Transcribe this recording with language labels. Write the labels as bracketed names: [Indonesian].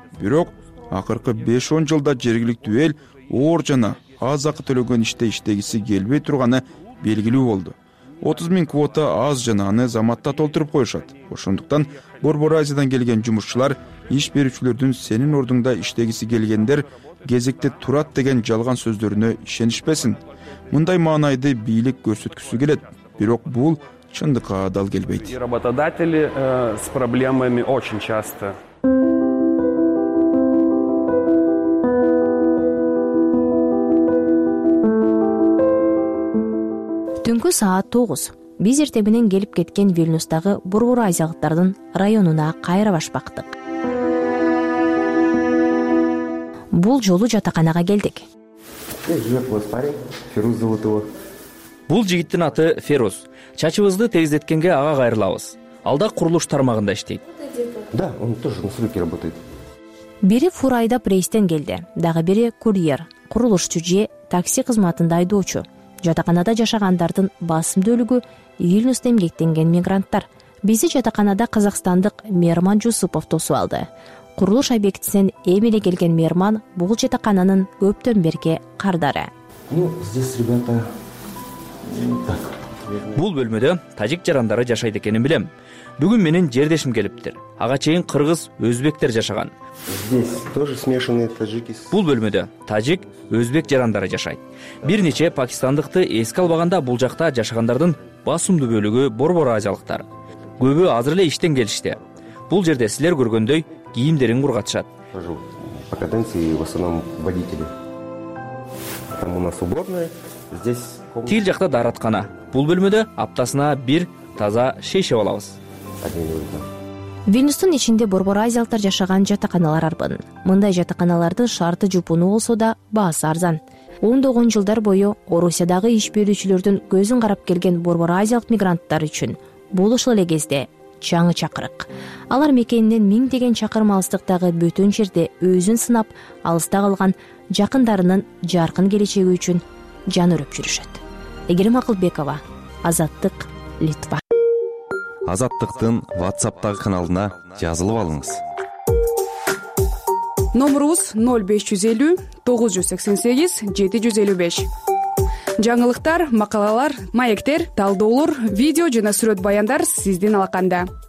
[Kyrgyz] Бирок акыркы 5-10 жылда жергиликтүү эл оор жана аз акы төлөгөн иште иштегиси келбей турганы белгилүү болду. 30 миң квота аз жана аны заматта толтуруп коюшат. Ошондуктан Борбор Азиядан келген жумушчулар иш берүүчүлөрдүн сенин ордуңда иштегиси келгендер кезекте турат деген жалган сөздөрүнө ишенишпесин. Мындай маанайды бийлик көрсөткүсү келет. Бирок бул чындыкка адал келбейт. [Russian] Работодатели с проблемами очень часто. [Kyrgyz] Түнкү саат 9. Биз эртебинен келип кеткен Вильнюстагы Борбор азиялыктардын районуна кайра баш бактык. Бул жолу жатаканага келдик. Бул жигиттин аты Ферус. Чачыбызды тегиздеткенге ага кайрылабыз. Алда курулуш тармагында иштейт. [Russian] Да, он тоже на стройке работает. [Kyrgyz] Бири фур айдап рейстен келди. Дагы бири курьер, курулушчу же такси кызматында айдоочу. Жатаканада жашагандардын басым бөлүгү Вильнюсту эмгектенген мигранттар. Бизди жатаканада казакстандык Мерман Жусупов тосуп алды. Курулуш объектисинен эмиле келген Мерман бул жатакананын көптөн берки кардары. [Russian] Ну, здесь ребята так, [Kyrgyz] Бул бөлмөдө тажик жарандары жашайт экенин билем. Бүгүн менин жердешим келиптир. Ага чейин кыргыз, өзбектер жашаган. [Russian] Здесь тоже смешанные таджики. [Kyrgyz] Бул бөлмөдө тажик, өзбек жарандары жашайт. Бир нече пакистандыкты эске албаганда бул жакта жашагандардын басымдуу бөлүгү борбор азиялыктар. Көбү азыр эле иштен келишти. Бул жерде силер көргөндөй кийимдерин кургатышат. [Russian] По каденции в основном водители. Там у нас уборная. Здесь комната. [Kyrgyz] Тил жакта дараткана. Бул бөлмөдө аптасына бир таза шейшеп алабыз. Вильнюстун ичинде борбор азиялыктар жашаган жатаканалар арбын. Мындай жатаканалардын шарты жупуну болсо да, баасы арзан. Ондогон жылдар бою Орусиядагы иш берүүчүлөрдүн көзүн карап келген борбор азиялык мигранттар үчүн бул ушул эле кезде жаңы чакырык. Алар мекенинен миңдеген чакырым алыстыктагы бөтөн жерде өзүн сынап, алыста калган жакындарынын жаркын келечеги үчүн жан өрүп жүрүшөт. Эгерим Акылбекова, Азаттык, Литва. Азаттыктын WhatsApp-тагы каналына жазылып алыңыз. Номерубуз 0550 988 755. Жаңылыктар, макалалар, маектер, талдоолор, видео жана сүрөт баяндар сиздин алаканда.